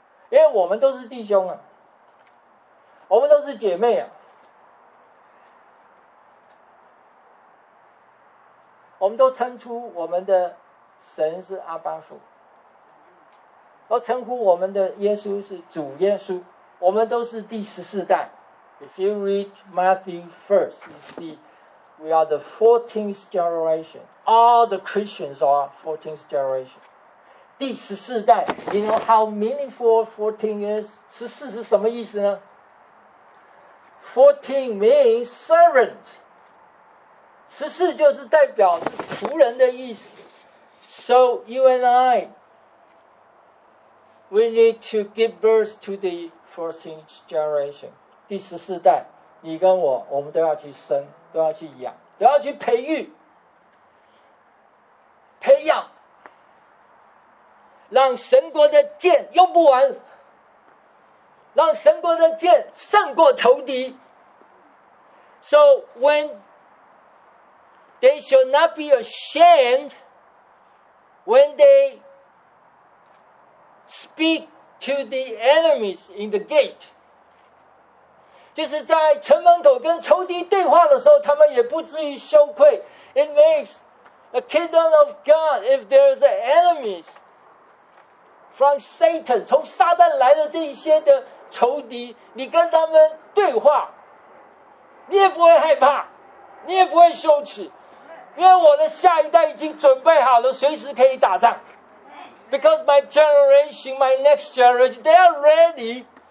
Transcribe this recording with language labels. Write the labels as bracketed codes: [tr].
[zh] Because, 因为我们都是弟兄啊，我们都是姐妹啊。我们都称出我们的神是阿爸父，都称呼我们的耶稣是主耶稣，我们都是第十四代。 [en] If you read Matthew first, you see we are the 14th generation. All the Christians are 14th generation. [zh] 第十四代。 [en] You know how meaningful 14 is? [zh] 十四是什么意思呢？ [en] 14 means servant. [zh] 十四就是代表是仆人的意思。 [en] So you and I, we need to give birth to the 14th generation. [zh] 第十四代，你跟我，我们都要去生，都要去养，都要去培育，培养，让神国的剑用不完，让神国的剑胜过仇敌。 [en] So whenThey should not be ashamed when they speak to the enemies in the gate. [zh] 就是在城门口跟仇敌对话的时候，他们也不至于羞愧。 [en] It makes the kingdom of God if there's enemies from Satan, [zh] 从撒旦来的这些的仇敌，你跟他们对话，你也不会害怕，你也不会羞耻。因为我的下一代已经准备好了，随时可以打仗。 [en] Because my generation, my next generation, they are ready.